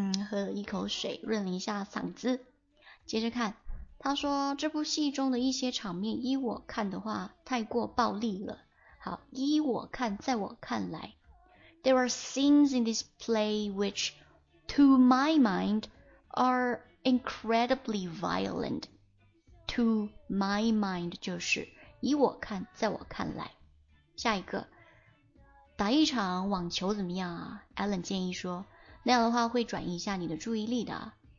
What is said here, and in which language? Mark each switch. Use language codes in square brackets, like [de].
[zh] 喝了一口水润了一下嗓子，接着看。他说这部戏中的一些场面依我看的话太过暴力了。好，依我看，在我看来， [en] There are scenes in this play which to my mind are incredibly violent. To my mind 就是 [zh] 以我看，在我看来。下一个，打一场网球怎么样啊？ Alan 建议说，那样的话会转移一下你的注意力的。